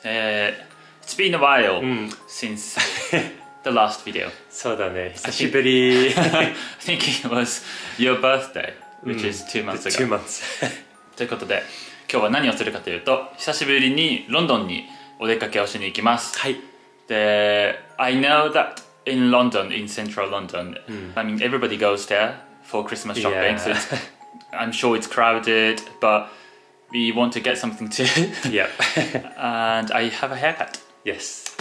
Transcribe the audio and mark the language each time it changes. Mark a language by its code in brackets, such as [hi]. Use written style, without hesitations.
[en] It's been a while、うん、since the last video. [ja] そうだね、久しぶり。 [en] I think it was your birthday, which is 2 months ago. 2 months. [ja] ということで、今日は何をするかというと、久しぶりにロンドンにお出かけをしに行きます。はい。で、 [en] I know that in London, in central London,、うん、I mean, everybody goes there for Christmas shopping,、yeah. so it's, I'm sure it's crowded, but we want to get something too. Yep. And I have a haircut. Yes.